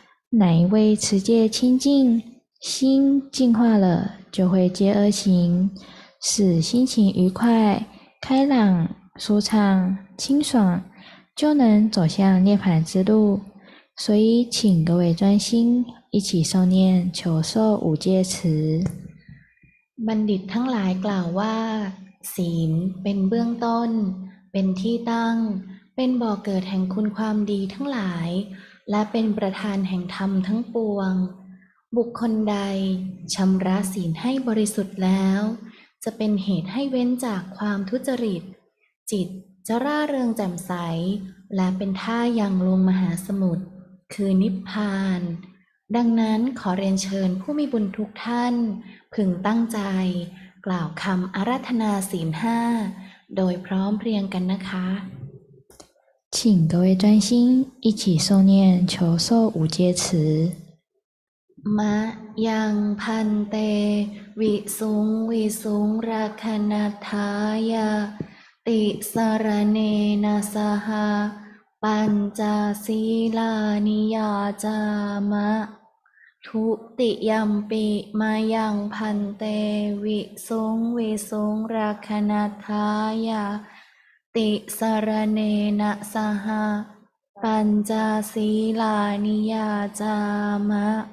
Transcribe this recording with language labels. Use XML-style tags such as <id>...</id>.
<zh>哪一位持戒清净，心净化了，就会戒而行，使心情愉快、开朗、舒畅、清爽，就能走向涅槃之路。所以，请各位专心，一起诵念求受五戒词。</zh> <th>บัณฑิตทั้งหลายกล่าวว่าศีลเป็นเบื้องต้นเป็นที่ตั้งเป็นบ่อเกิดแห่งคุณความดีทั้งหลายและเป็นประธานแห่งธรรมทั้งปวง บุคคลใดชำระศีลให้บริสุทธิ์แล้วจะเป็นเหตุให้เว้นจากความทุจริตจิตจะร่าเริงแจ่มใสและเป็นท่ายังลงมหาสมุทรคือนิพพานดังนั้นขอเรียนเชิญผู้มีบุญทุกท่านพึงตั้งใจกล่าวคำอาราธนาศีล5โดยพร้อมเพรียงกันนะคะ</th> <zh>请各位专心一起诵念求受五戒词</zh> <pi>มะยังพันเตวิสุงวิสุงราคณาทายาติสารเนนะสหะปัญจสีลานิยาจามะทุติยัมปิมายังพันเตวิสุงวิสุงราคณาทายาติสารเนนะสหะปัญจสีลานิยาจามะ</pi>